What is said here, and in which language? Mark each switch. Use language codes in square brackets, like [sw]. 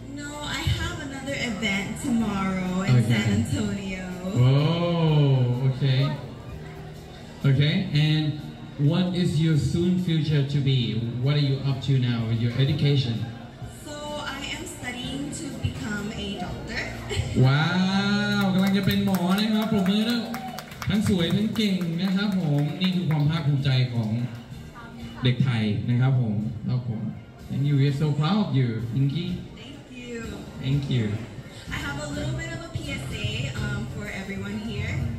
[en] No, I have another event tomorrow in San Antonio. Oh, okay. Okay, and what is your soon future to be? What are you up to now with your education? So I am studying to become a doctor. [th] Wow, กำลังจะเป็นหมอนะครับผมเลยนะทั้งสวยทั้งเก่งนะครับผมนี่คือความภาคภูมิใจของเด็กไทยนะครับผมครับผม [en] And you are so proud of you, Pinky. Thank you. Thank you. I have a little bit of a PSA for everyone here.